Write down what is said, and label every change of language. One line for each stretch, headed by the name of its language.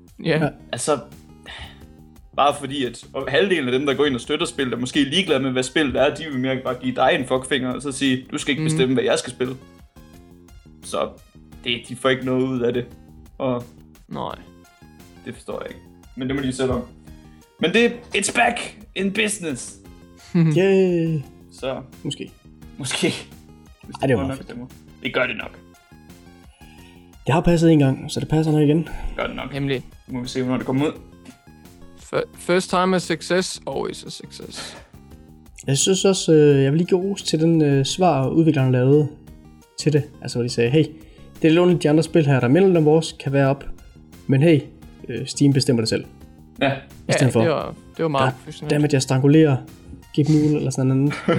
Danish: Ja. Altså, bare fordi, at halvdelen af dem, der går ind og støtter spillet, er måske ligeglade med, hvad spillet er, de vil mere bare give dig en fuckfinger, og så sige, du skal ikke bestemme, hvad jeg skal spille. Så, de får ikke noget ud af det. Og, nej. Det forstår jeg ikke. Men det må de sætte om. Men det,
English: it's back in business. Yay.
Danish: Så. Måske. Måske. Ej, det var nok. Det gør det nok. Det har passet en gang, så det passer nok igen. Gør det nok. Hemmelig. Nu må vi se, hvornår det kommer ud.
English: First time a success, always a success.
Danish: Jeg synes også, jeg vil lige give ros til den svar, udvikleren lavede til det. Altså, hvor de sagde, hey, det er lidt ondt, de andre spil her, der mellem dem vores, kan være op. Men hey, Steam bestemmer det selv. Ja. I stedet for. Det var meget professionelt. Dammit, jeg strangulerer Gabe eller sådan noget.